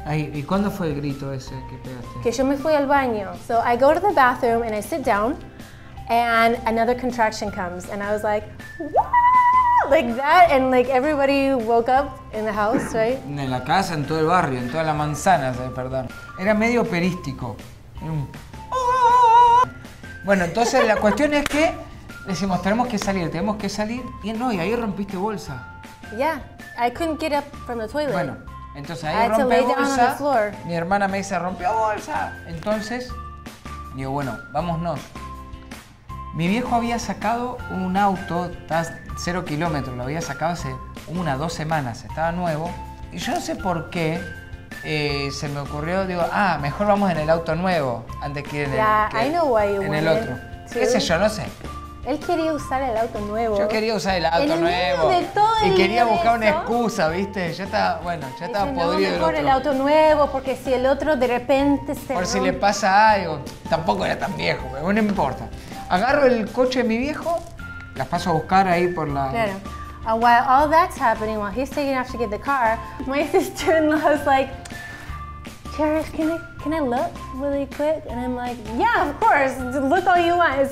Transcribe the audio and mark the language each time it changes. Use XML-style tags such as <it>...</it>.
<es>Ay, ¿y cuándo fue el grito ese que pegaste? Que yo me fui al baño.</es> <en>So I go to the bathroom and I sit down, and another contraction comes, and I was like, what? Like that, and like everybody woke up in the house, right?</en> <es>En la casa, en todo el barrio, en toda la manzana, perdón. Era medio operístico. Bueno, entonces la cuestión es que decimos, tenemos que salir. Y no, y ahí rompiste bolsa.</es> <en>Yeah, I couldn't get up from the toilet.</en> <es>Bueno, entonces ahí rompe bolsa. Mi hermana me dice, rompió bolsa. Entonces, digo, bueno, vámonos. Mi viejo había sacado un auto, cero kilómetros, lo había sacado hace una, dos semanas, estaba nuevo. Y yo no sé por qué se me ocurrió, digo, ah, mejor vamos en el auto nuevo antes que ir en el, otro. Too. Qué sé yo, no sé. Él quería usar el auto nuevo. Yo quería usar el auto nuevo. De todo el y quería buscar una excusa, ¿viste? Ya estaba, bueno, ya estaba podrido. No, mejor el auto nuevo, porque si el otro de repente se. Por si le pasa algo. Tampoco era tan viejo, pero no importa. Agarro el coche de mi viejo, las paso a buscar ahí por la. Claro.</es> <en>While all that's happening, while he's taking off to get the car, my sister-in-law is like, Cherish, can I look really quick? And I'm like, yeah, of course, look all you want.</en>